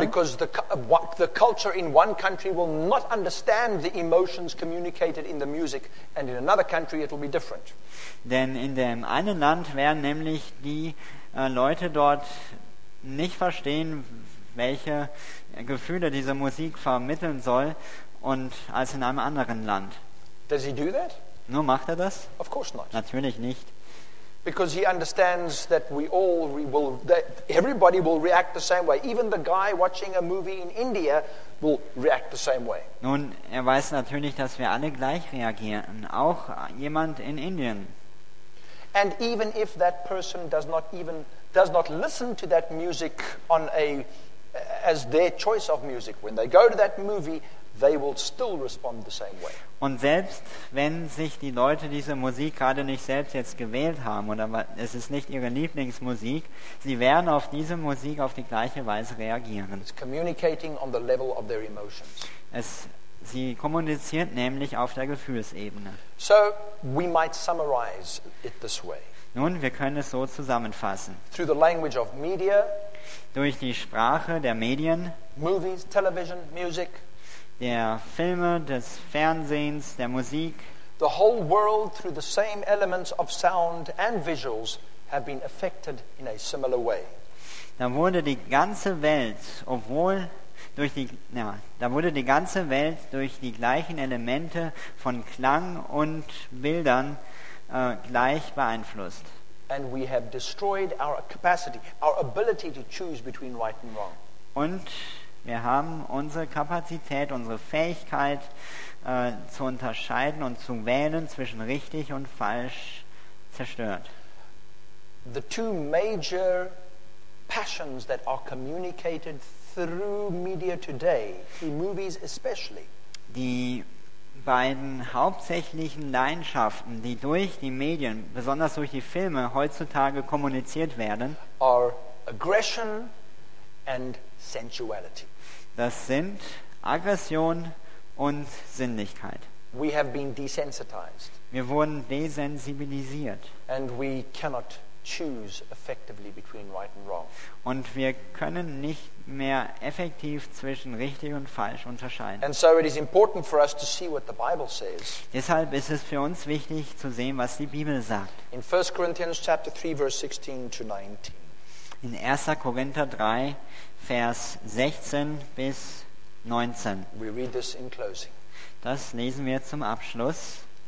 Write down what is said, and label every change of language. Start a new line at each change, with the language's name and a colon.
English: Because the culture in one country will not understand the emotions communicated in the music, and in another country it will be different.
German: Denn in dem einen Land werden nämlich die Leute dort nicht verstehen, welche Gefühle diese Musik vermitteln soll. Und als in einem anderen Land.
English: Does he do that?
German: Nur macht er das?
English: Of course not.
German: Natürlich nicht.
English: Because he understands that we all will, that everybody will react the same way. Even the guy watching a movie in India will react the same way.
German: Nun, er weiß natürlich, dass wir alle gleich reagieren. Auch jemand in Indien.
English: And even if that person does not listen to that music on a as their choice of music, when they go to that movie, they will still respond the same way.
German: Und selbst wenn sich die Leute diese Musik gerade nicht selbst jetzt gewählt haben oder es ist nicht ihre Lieblingsmusik, sie werden auf diese Musik auf die gleiche Weise reagieren.
English: It's communicating on the level of their emotions.
German: Sie kommuniziert nämlich auf der Gefühlsebene.
English: So we might summarize it this way.
German: Nun, wir können es so zusammenfassen.
English: Through the language of media,
German: durch die Sprache der Medien,
English: movies, television, music,
German: der Filme, des Fernsehens, der Musik.
English: The whole world through the same elements of sound and visuals have been affected in a similar way.
German: Da wurde die ganze Welt durch die gleichen Elemente von Klang und Bildern gleich beeinflusst.
English: And we have destroyed our capacity, our ability to choose between right and wrong.
German: Und wir haben unsere Kapazität, unsere Fähigkeit zu unterscheiden und zu wählen zwischen richtig und falsch zerstört.
English: The two major passions that are communicated through media today, in movies especially.
German: Die beiden hauptsächlichen Leidenschaften, die durch die Medien, besonders durch die Filme heutzutage kommuniziert werden,
English: are aggression and sensuality.
German: Das sind Aggression und Sinnlichkeit.
English: We have been desensitized.
German: Wir wurden desensibilisiert.
English: And we cannot choose effectively between right and wrong.
German: Und wir können nicht mehr effektiv zwischen richtig und falsch unterscheiden.
English: And so it is important for us to see what the Bible says.
German: Deshalb ist es für uns wichtig zu sehen, was die Bibel sagt.
English: In 1 Corinthians chapter 3 verse 16 to 19.
German: In 1. Korinther 3 Vers 16 bis 19.
English: We read this in closing.
German: Das lesen wir zum Abschluss.